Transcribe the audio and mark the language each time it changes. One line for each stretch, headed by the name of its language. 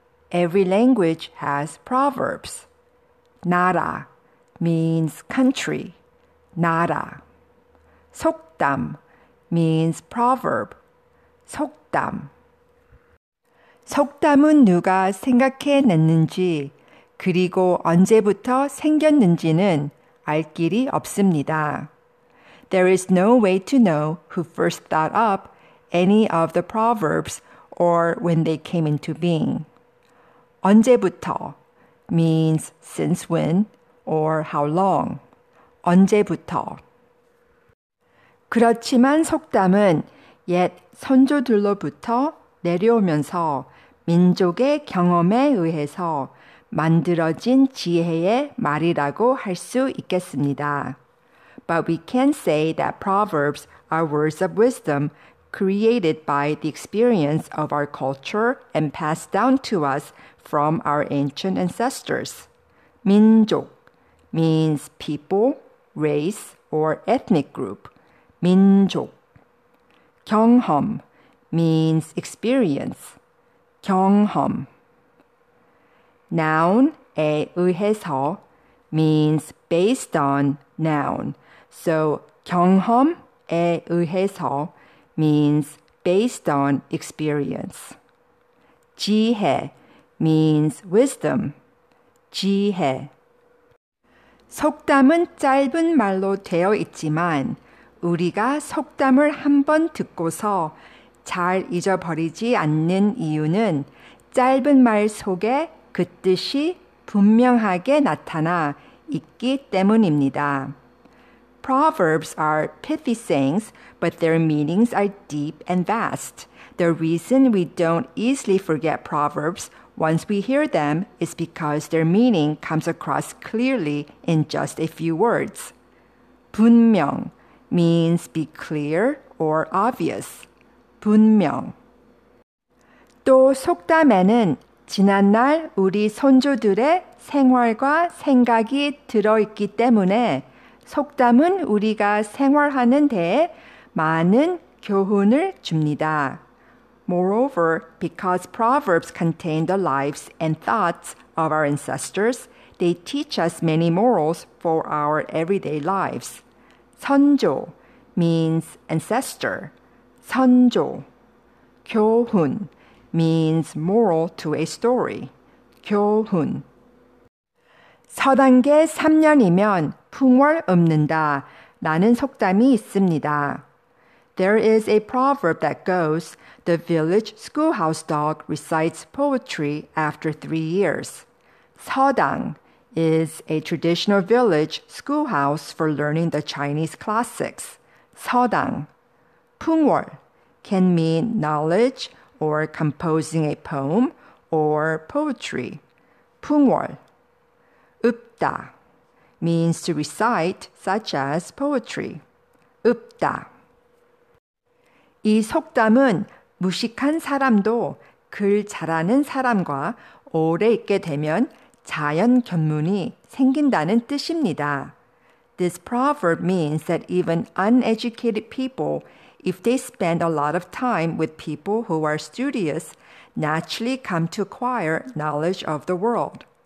English: Every language has proverbs. 나라 means country. 나라. 속담 means proverb. 속담.
Korean: 속담은 누가 생각해 냈는지 그리고 언제부터 생겼는지는 알 길이 없습니다.
English: There is no way to know who first thought up any of the proverbs or when they came into being. 언제부터 means since when or how long. 언제부터.
Korean: 그렇지만 속담은 옛 선조들로부터 내려오면서 민족의 경험에 의해서 만들어진 지혜의 말이라고 할 수 있겠습니다.
English: But we can say that proverbs are words of wisdom created by the experience of our culture and passed down to us from our ancient ancestors. 민족 means people, race, or ethnic group. 민족. 경험 means experience. 경험. Noun에 의해서 means based on noun. So
Korean: 경험에 의해서
English: means based on experience. 지혜 means wisdom. 지혜.
Korean: 속담은 짧은 말로 되어 있지만 우리가 속담을 한번 듣고서 잘 잊어버리지 않는 이유는 짧은 말 속에 그 뜻이 분명하게 나타나 있기 때문입니다.
English: Proverbs are pithy sayings, but their meanings are deep and vast. The reason we don't easily forget proverbs once we hear them is because their meaning comes across clearly in just a few words. 분명 means be clear or obvious. 분명.
Korean: 또 속담에는 지난날 우리 선조들의 생활과 생각이 들어있기 때문에 속담은 우리가 생활하는 데에 많은 교훈을 줍니다.
English: Moreover, because proverbs contain the lives and thoughts of our ancestors, they teach us many morals for our everyday lives. 선조 means ancestor. 선조. 교훈 means moral to a story. 교훈.
Korean: 서당계 3년이면 풍월 읊는다 라는 속담이 있습니다.
English: There is a proverb that goes, the village schoolhouse dog recites poetry after 3 years. 서당 is a traditional village schoolhouse for learning the Chinese classics. 서당. 풍월 can mean knowledge or composing a poem or poetry. 풍월. 읊다 means to recite, such as poetry. 읊다.
Korean: 이 속담은 무식한 사람도 글 잘하는 사람과 오래 있게 되면 자연견문이 생긴다는 뜻입니다.
English: This proverb means that even uneducated people, if they spend a lot of time with people who are studious, naturally come to acquire knowledge of the world.